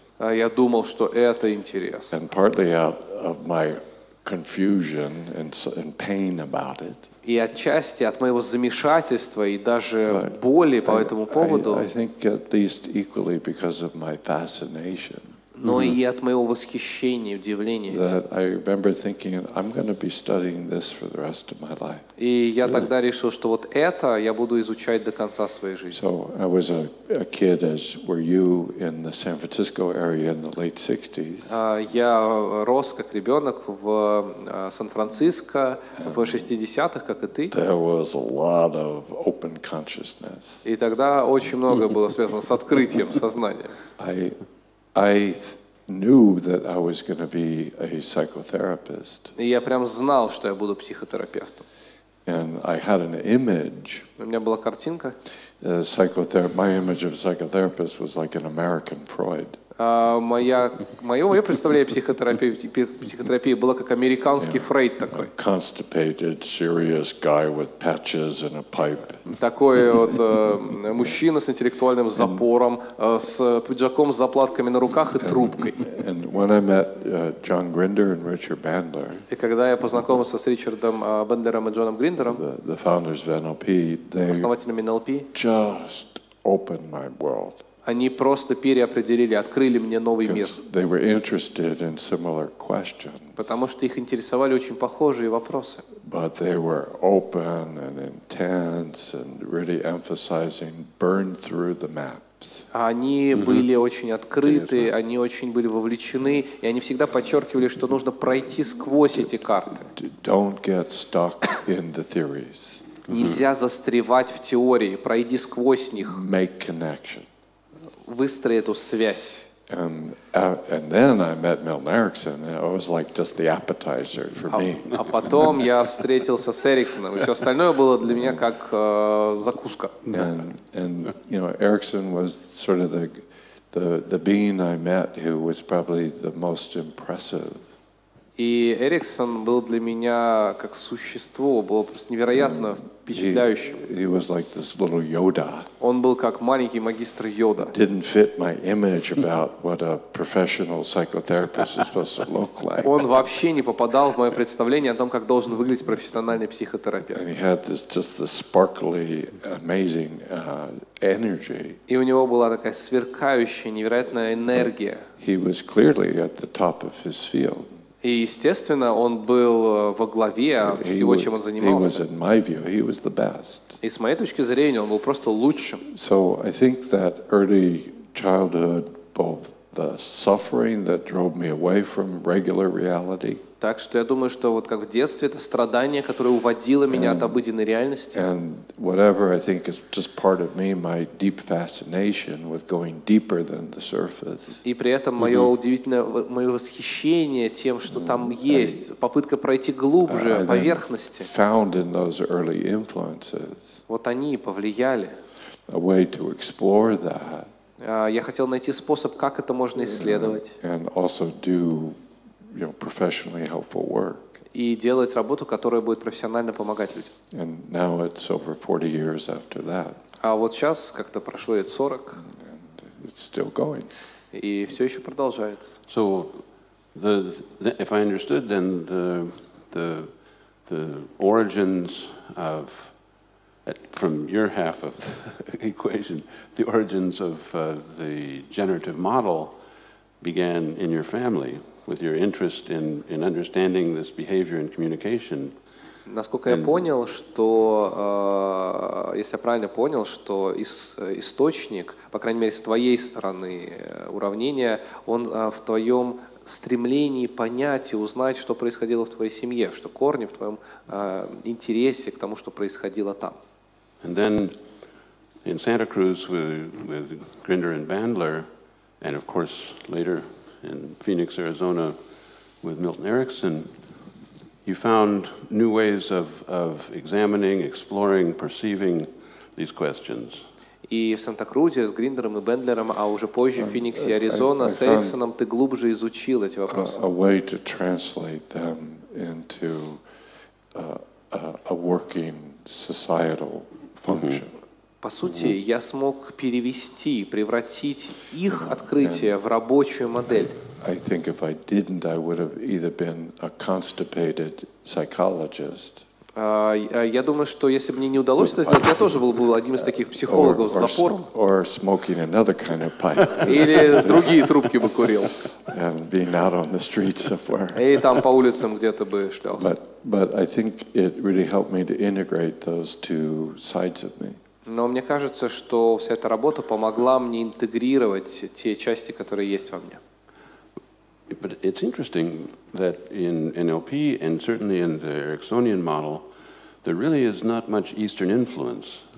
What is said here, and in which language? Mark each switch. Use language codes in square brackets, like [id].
[ru] Я думал, что это интересно. [en] And partly out of my confusion and pain about it. [ru] И отчасти от моего замешательства и даже боли по этому поводу. [en] I think at least equally because of my fascination. [ru] Но и от моего восхищения, удивления. [en] That I remember thinking, I'm going to be studying this for the rest of my life. [ru] И я тогда решил, что вот это я буду изучать до конца своей жизни. [en] So I was a kid, as were you, in the San Francisco area in the late 60s. [ru] Я рос как ребенок в Сан-Франциско в 60-х, как и ты. [en] There was a lot of open consciousness. [ru] И тогда очень многое было связано с открытием сознания. [en] I knew that I was going to be a psychotherapist. [ru] Я прям знал, что я буду психотерапевтом. [en] And I had an image. [ru] У меня была картинка. [en] My image of a psychotherapist was like an American Freud. [ru] Мое представление психотерапии было как американский Фрейд такой. [en] Constipated, serious guy with patches and a pipe. [ru] Такой вот мужчина с интеллектуальным запором, с пиджаком с заплатками на руках и трубкой. [en] And when I met John Grinder and Richard Bandler. [ru] И когда я познакомился с Ричардом Бандлером и Джоном Гриндером. [en] The founders of NLP. [ru] Основателями NLP. [en] Just opened my world. [ru] Они просто переопределили, открыли мне новый мир. [en] They were interested in similar questions. [ru] Потому что их интересовали очень похожие вопросы. [en] But they were open and intense and really emphasizing burn through the map. depth. [ru] Они были очень открыты, они очень были вовлечены, и они всегда подчеркивали, что нужно пройти сквозь эти карты. [en] Don't get stuck in the theories. [ru] Нельзя застревать в теории, пройди сквозь них. [en] Make connection. [ru] Выстрои эту связь. [en] And then I met Milton Erickson, and it was like just the appetizer for me. [ru] А потом я встретился с Эриксоном, и все остальное было для меня как закуска. [en] And you know, Erickson was sort of the being I met who was probably the most impressive. [ru] И Эриксон был для меня как существо, было просто невероятно впечатляющим. [en] He was like this little Yoda. [ru] Он был как маленький магистр Йода. [en] Didn't fit my image about what a professional psychotherapist is supposed to look like. [ru] Он вообще не попадал в мое представление о том, как должен выглядеть профессиональный психотерапевт. [en] And he had this, just this sparkly, amazing energy. [ru] И у него была такая сверкающая, невероятная энергия. [en] He was clearly at the top of his field. [ru] И, естественно, он был во главе всего, чем он занимался. [en] He was, in my view, he was the best. [ru] И с моей точки зрения, он был просто лучшим. [en] So I think that early childhood, both the suffering that drove me away from regular reality. [ru] Так что я думаю, что вот как в детстве это страдание, которое уводило меня от обыденной реальности. [en] And whatever I think is just part of me, my deep fascination with going deeper than the surface. [ru] И при этом мое удивительное, мое восхищение тем, что там есть, попытка пройти глубже поверхности. [en] Found in those early influences. [ru] Вот они повлияли. [en] A way to explore that. [ru] Я хотел найти способ, как это можно исследовать. [en] And also do, you know, professionally helpful work. [ru] И делать работу, которая будет профессионально помогать людям. [en] And now it's over 40 years after that. [ru] А вот сейчас как-то прошло лет 40. [en] And it's still going. [ru] И все еще продолжается. [en] So, if I understood, then the origins of, from your half of the equation, the origins of the generative model began in your family. With your interest in understanding this behavior and communication. [ru] Насколько я понял, что если я правильно понял, что источник, по крайней мере, с твоей стороны уравнения, он в твоем стремлении понять и узнать, что происходило в твоей семье, что корни в твоем интересе к тому, что происходило там. [en] And then in Santa Cruz with Grinder and Bandler, and of course later in Phoenix, Arizona, with Milton Erickson, you found new ways of examining, exploring, perceiving these questions. [ru] И в Санта-Крузе с Гриндером и Бендлером, а уже позже в Фениксе, Аризона, с Эриксоном ты глубже изучил эти вопросы. [en] A way to translate them into a working societal function. [ru] По сути, я смог перевести, превратить их открытие в рабочую модель. [en] I think if I didn't, I would have either been a constipated psychologist. [ru] Я думаю, что если бы мне не удалось это сделать, я тоже был бы одним из таких психологов с запором. [en] Or smoking another kind of pipe. [ru] Или другие трубки бы курил. [en] And being out on the street somewhere. [ru] И там по улицам где-то бы шлялся. [en] But I think it really helped me to integrate those two sides of me. [ru] Но мне кажется, что вся эта работа помогла мне интегрировать те части, которые есть во мне. [en] But it's interesting that in NLP and certainly in the Ericksonian model, there really is not much Eastern influence.